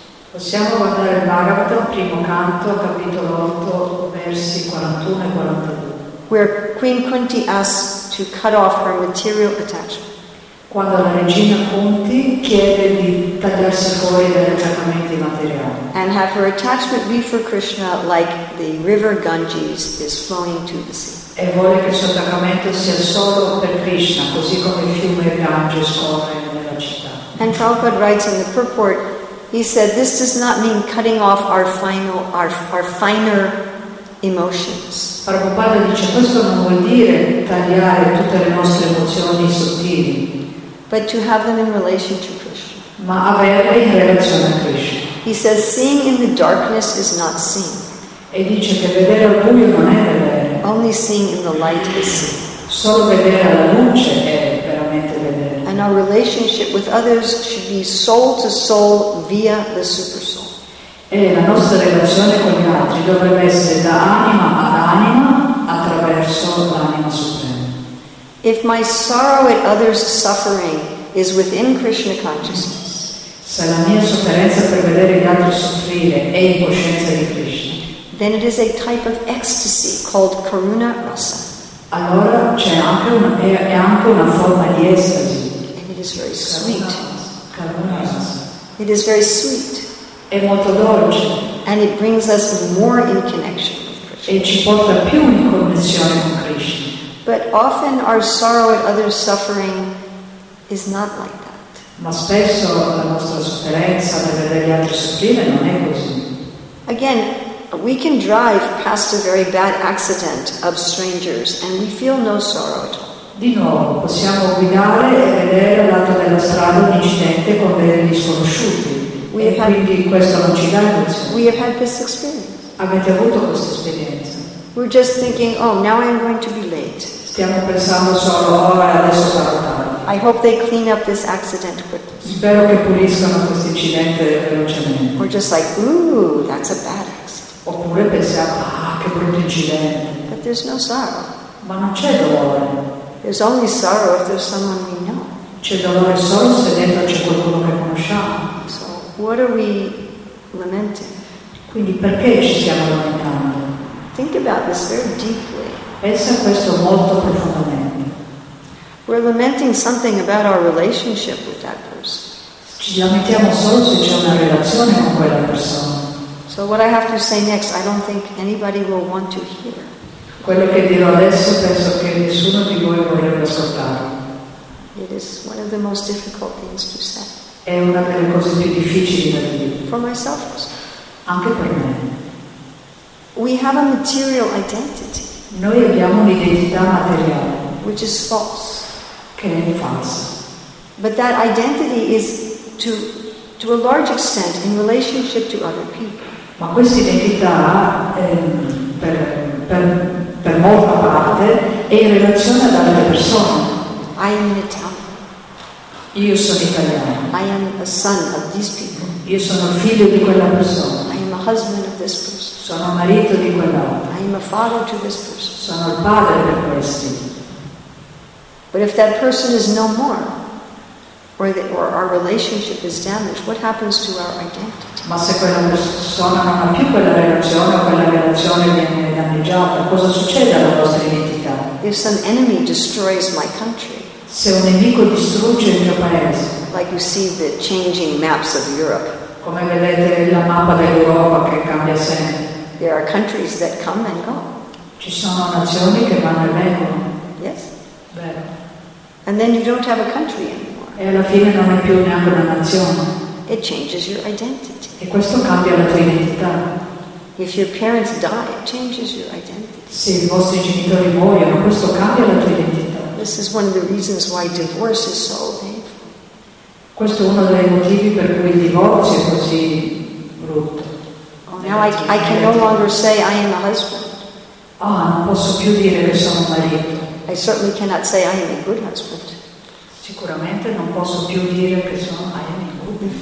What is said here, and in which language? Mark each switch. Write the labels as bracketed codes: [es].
[it] Possiamo guardare il Bhagavatam, primo canto, capitolo 8, versi 41 e 42. [en] Where Queen Kunti asks to cut off her material attachment. [it] Quando la regina Kunti chiede di tagliarsi fuori dagli attaccamenti materiali. [en] And have her attachment be for Krishna like the river Ganges is flowing to the sea. [it] E vuole che il suo attaccamento sia solo per Krishna, così come il fiume Ganges corre nella città. [en] And Prabhupada writes in the purport, he said, this does not mean cutting off our finer emotions. [it] Prabhupada dice, questo non vuol dire tagliare tutte le nostre emozioni sottili. [en] But to have them in relation to Krishna. [it] Ma avere in relazione a Krishna. [en] He says, seeing in the darkness is not seen. [it] E dice che vedere al buio non è vedere. [en] Only seeing in the light is seen. [it] Solo vedere alla luce è veramente vedere. [en] And our relationship with others should be soul to soul via the super soul. [it] E la nostra relazione con gli altri dovrebbe essere da anima ad anima attraverso l'anima suprema. [en] If my sorrow at others' suffering is within Krishna consciousness, [it] se la mia sofferenza per vedere gli altri soffrire è in coscienza di Krishna, [en] then it is a type of ecstasy called Karuna Rasa. [it] Allora è anche una forma di estasi. [en] And it is very sweet. [it] Karuna Rasa. [en] It is very sweet. [it] È molto dolce. [en] And it brings us more in connection with Krishna. [it] E ci porta più in connessione con Krishna. [en] But often our sorrow at others' suffering is not like that. [it] Ma spesso la nostra sofferenza nel vedere gli altri soffrire non è così. [en] Again, we can drive past a very bad accident of strangers and we feel no sorrow at all. [it] Di nuovo, possiamo guidare e vedere al lato della strada un incidente con degli sconosciuti. [en] We have had this experience. [it] Avete avuto questa esperienza. [en] We're just thinking, oh, now I'm going to be late. [it] Stiamo pensando solo, ora adesso sarà tardi. [en] I hope they clean up this accident quickly. [it] Spero che puliscano questo incidente velocemente. [en] We're just like, ooh, that's a bad accident. [it] Oppure pensiamo, ah, che brutto incidente. [en] But there's no sorrow. [it] Ma non c'è dolore. [en] There's only sorrow if there's someone we know. [it] C'è dolore solo se dentro c'è qualcuno che conosciamo. [en] What are we lamenting? [it] Quindi perché ci stiamo lamentando? [en] Think about this very deeply. [it] Pensa a questo molto profondamente. [en] We're lamenting something about our relationship with that person. [it] Ci lamentiamo solo se c'è una relazione con quella persona. [en] So what I have to say next, I don't think anybody will want to hear. [it] Quello che dirò adesso penso che nessuno di voi vorrebbe ascoltare. [en] It is one of the most difficult things to say. [it] È una delle cose più difficili da dire. [en] For myself, [it] anche per me. [en] We have a material identity. [it] Noi abbiamo un'identità materiale. [en] Which is false. [it] Che è falsa. [en] But that identity is to a large extent in relationship to other people. [it] Ma questa identità per molta parte è in relazione ad altre persone. [en] I am an Italian. [it] Io sono italiano. [en] I am a son of these people. [it] Io sono figlio di quella persona. [en] I am a husband of this person. [it] Sono marito di quell'altro. [en] I am a father to this person. [it] Sono il padre di questi. [en] But if that person is no more, or the, or our relationship is damaged, what happens to our identity? [it] Ma se quella persona non ha più quella relazione viene danneggiata, cosa succede alla nostra identità? [en] If some enemy destroys my country, [it] se un nemico distrugge il mio paese, [en] like you see the changing maps of Europe, [it] come vedete la mappa dell'Europa che cambia sempre, [en] there are countries that come and go. [it] Ci sono nazioni che vanno e vengono. [en] Yes. [it] Bene. [en] And then you don't have a country anymore. [it] E alla fine non hai più neanche una nazione. [en] It changes your identity. [it] E questo cambia la tua identità. [en] If your parents die, it changes your identity. [it] Se i vostri genitori muoiono, questo cambia la tua identità. [en] This is one of the reasons why divorce is so painful. [it] Questo è uno dei motivi per cui il divorzio è così brutto. [en] Oh, now I can no longer say I am a husband. [it] Ah, non posso più dire che sono un marito. [en] I certainly cannot say I am a good husband. [it] Sicuramente non posso più dire che sono [en] I am a good husband.